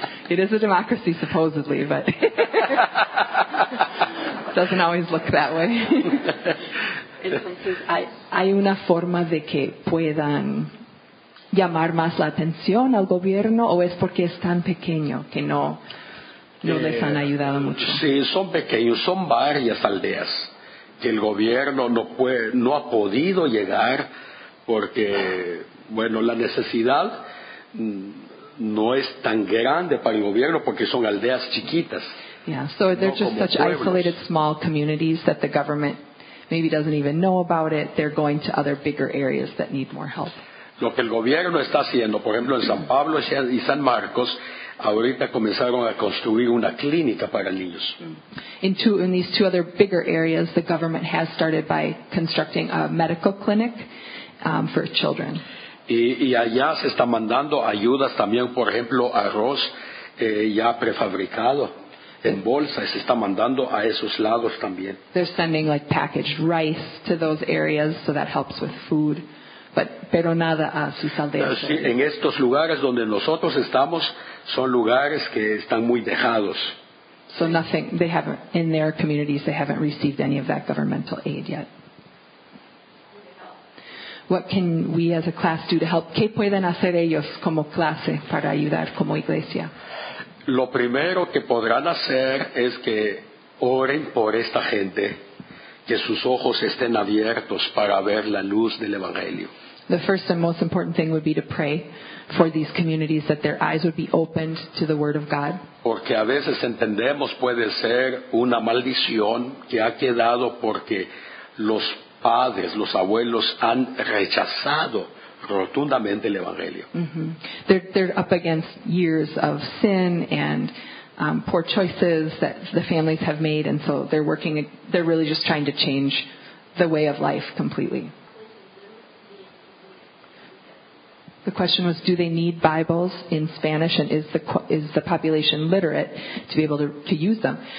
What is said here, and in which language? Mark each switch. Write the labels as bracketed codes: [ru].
[en] It is a democracy, supposedly, but it doesn't always look that way. [es] Entonces, ¿hay una forma de que puedan llamar más la atención al gobierno, o es porque es tan pequeño que no les han ayudado mucho? Sí, son pequeños, son varias aldeas que el gobierno no ha podido llegar porque, bueno, la necesidad no es tan grande para el gobierno porque son aldeas chiquitas. [en] Yeah, so they're just such isolated small communities that the government maybe doesn't even know about it. They're going to other bigger areas that need more help. [es] Lo que el gobierno está haciendo, por ejemplo, en San Pablo y San Marcos, ahorita comenzaron a construir una clínica para niños. [en] In these two other bigger areas, the government has started by constructing a medical clinic for children. [es] Y allá se está mandando ayudas también, por ejemplo, arroz ya prefabricado en bolsa. Se está mandando a esos lados también. [en] They're sending like packaged rice to those areas, so that helps with food. [es] Pero nada a sus aldeas. Sí, en estos lugares donde nosotros estamos son lugares que están muy dejados. [en] So nothing, they haven't, in their communities they haven't received any of that governmental aid yet. What can we as a class do to help? [es] ¿Qué pueden hacer ellos como clase para ayudar como iglesia? Lo primero que podrán hacer es que oren por esta gente y que sus ojos estén abiertos para ver la luz del Evangelio. [en] The first and most important thing would be to pray for these communities that their eyes would be opened to the Word of God. [es] Porque a veces entendemos puede ser una maldición que ha quedado porque los padres, los abuelos han rechazado rotundamente el Evangelio. Mm-hmm. [en] They're up against years of sin and poor choices that the families have made, and so they're really just trying to change the way of life completely. The question was, do they need Bibles in Spanish, and is the population literate to be able to use them?